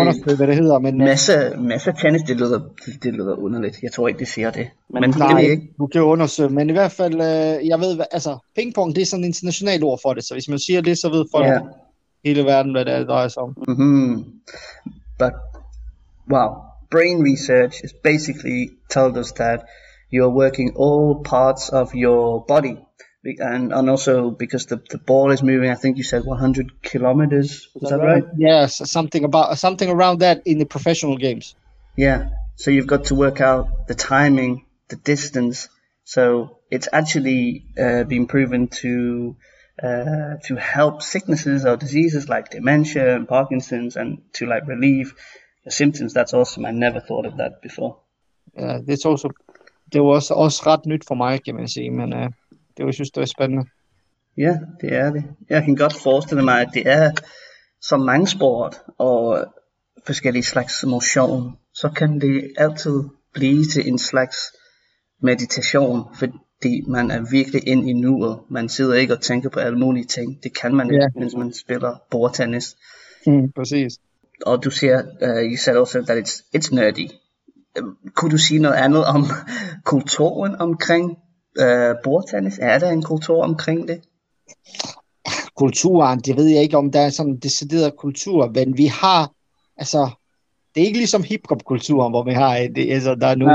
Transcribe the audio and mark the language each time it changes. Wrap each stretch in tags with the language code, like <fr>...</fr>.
<da>undersøge, hvad det hedder, men messa tennis, det lyder underligt. Jeg tror ikke, det siger det. Men det ved nej, jeg ikke. du kan jo undersøge, men i hvert fald, jeg ved, altså, pingpong, det er sådan et internationalt ord for det, så hvis man siger det, så ved folk Ja. hele verden, hvad det drejer sig om.</da> <en>Wow. Brain research is basically told us that you're working all parts of your body. And also because the ball is moving, I think you said 100 kilometers. Is Was that that right? right? Yes, something around that in the professional games. Yeah. So you've got to work out the timing, the distance. So it's actually been proven to help sicknesses or diseases like dementia and Parkinson's, and to like relieve the symptoms. That's awesome. I never thought of that before.</en> <da>Ja, det var også ret nyt for mig, kan man sige, men det var, jeg synes, det var spændende. Ja, det er det. Jeg kan godt forestille mig, at det er som mange sport og forskellige slags motion, så kan det altid blive til en slags meditation, fordi man er virkelig ind i nuet. Man sidder ikke og tænker på alle mulige ting. Det kan man ikke, mens man spiller bordtennis. Præcis. Og du siger, I sagde også, at</da> <en>it's nerdy.</en> <da>Kunne du sige noget andet om kulturen omkring bordtennis? Er der en kultur omkring det? Kulturen, det ved jeg ikke, om der er sådan en decideret kultur, men vi har, altså, det er ikke ligesom hiphop-kulturen, hvor vi har, det, altså, der er nogen,</da>